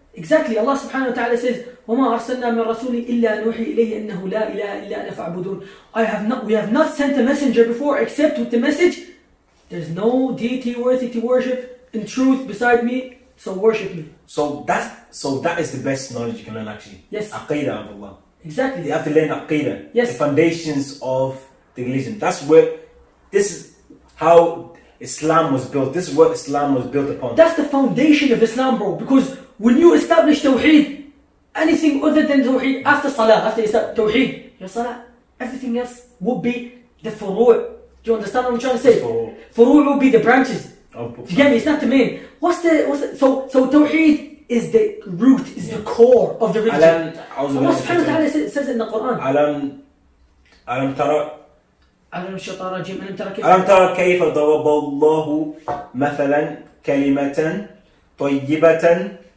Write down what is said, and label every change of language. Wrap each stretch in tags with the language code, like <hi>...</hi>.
<en>Exactly, Allah subhanahu wa ta'ala says,</en> <ar>وَمَا أَرْسَلْنَا مِنْ رَسُولِ إِلَّا نُوحِي إِلَيْهِ أَنَّهُ لَا إِلَهَ إِلَّا أَنَا فَعْبُدُونَ.</ar> <en>We have not sent a messenger before except with the message, there's no deity worthy to worship in truth beside me, so worship me. So that is the best knowledge you can learn, actually. Yes. Aqeedah of Allah. Exactly. You have to learn Aqeedah. Yes. The foundations of the religion. That's where, this is how Islam was built. This is what Islam was built upon. That's the foundation of Islam, bro. Because when you establish Tawheed, anything other than Tawheed, after Salah, after Tawheed, your Salah, everything else would be the furu'. Do you understand what I'm trying to say? Furu' will be the branches. Do you get me? It's not the main. So Tawheed is the root, the core of the religion. Allah says in the Quran.</en> <ar>Alam tara كيف ضرب الله مثلا كلمة طيبة</ar>